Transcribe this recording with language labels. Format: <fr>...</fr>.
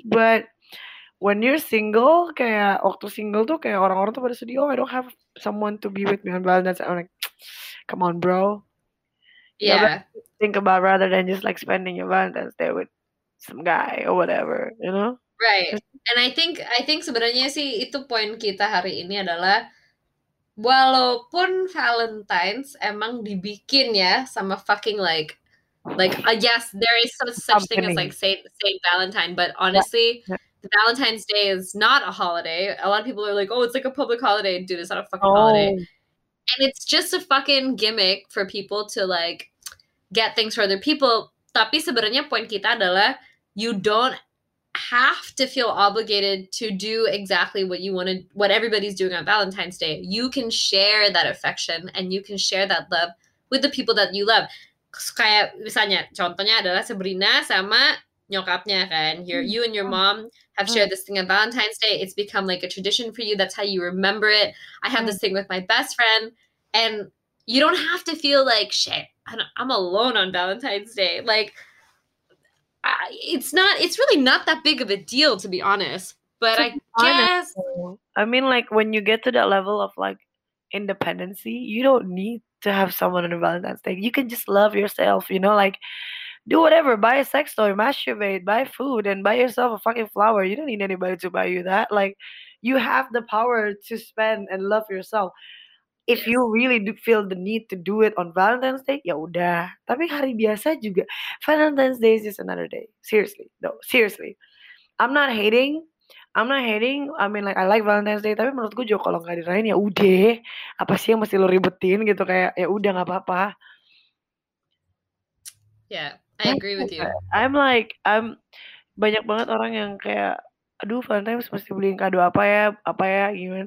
<en>But when you're single,</en> <id>kayak waktu single tuh kayak orang-orang tuh pada sedih,</id> <en>oh, I don't have someone to be with me on Valentine's. I'm like, come on, bro. Yeah. Think about rather than just like spending your Valentine's Day with some guy or whatever, you know? Right. And I think</en> <id>sebenarnya sih itu poin kita hari ini adalah Walaupun Valentine's emang dibikin ya sama fucking</id> <en>yes, there is such thing as like Saint Valentine, but honestly, the Valentine's Day is not a holiday. A lot of people are like, oh, it's like a public holiday, dude. It's not a fucking holiday, and it's just a fucking gimmick for people to like get things for other people.</en> <id>Tapi sebenarnya poin kita adalah</id> <en>you don't have to feel obligated to do exactly what you wanted, what everybody's doing on Valentine's Day. You can share that affection and you can share that love with the people that you love.</en> <id>Kayak misalnya contohnya adalah Sabrina sama nyokapnya kan.</id> <en>You and your mom have shared this thing on Valentine's Day. It's become like a tradition for you. That's how you remember it. I have this thing with my best friend, and you don't have to feel like shit, I'm alone on Valentine's Day. Like, it's really not that big of a deal, to be honest. But to I mean, like, when you get to that level of like independency, you don't need to have someone on a Valentine's Day. You can just love yourself, you know, like do whatever, buy a sex toy, masturbate, buy food, and buy yourself a fucking flower. You don't need anybody to buy you that. Like, you have the power to spend and love yourself. If you really do feel the need to do it on Valentine's Day,</en> <id>ya udah. Tapi hari biasa juga,</id> <en>Valentine's Day is just another day. Seriously, though. No, seriously. I'm not hating. I mean, like, I like Valentine's Day.</en> <id>Tapi menurut gue juga kalau gak dirayain, ya udah. Apa sih yang mesti lo ribetin gitu? Kayak, ya udah, gak apa-apa.</id> <en>Yeah, I agree with you.</en> <id>I'm banyak banget orang yang kayak, aduh, Valentine's mesti beliin kado apa ya, gimana?</id>